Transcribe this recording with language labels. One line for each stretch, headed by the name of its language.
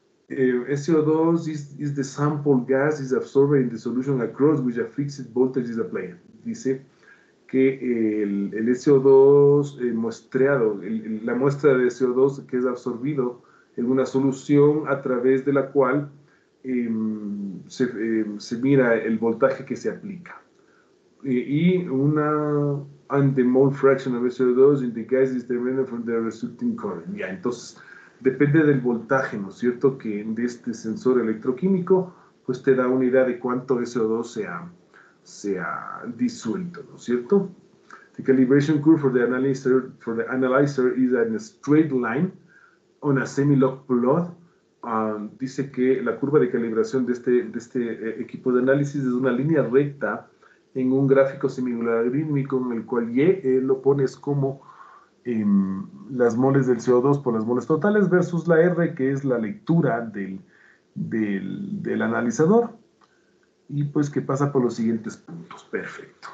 English: CO2 is the sample gas is absorbed in the solution across which a fixed voltage is applied.
Spanish: Dice que el CO2 muestreado, la muestra de CO2 que es absorbido en una solución a través de la cual se mira el voltaje que se aplica. Y una
English: and the mole fraction of CO2 in the gas is determined from the resulting current.
Spanish: Ya, entonces, depende del voltaje, ¿no es cierto?, que de este sensor electroquímico, pues te da una idea de cuánto CO2 se ha disuelto, ¿no es cierto?
English: The calibration curve for the analyzer is a straight line on a semi-log plot.
Spanish: Dice que la curva de calibración de este equipo de análisis es una línea recta en un gráfico semilogarítmico en el cual Y lo pones como las moles del CO2 por las moles totales versus la R, que es la lectura del analizador, y pues que pasa por los siguientes puntos. Perfecto.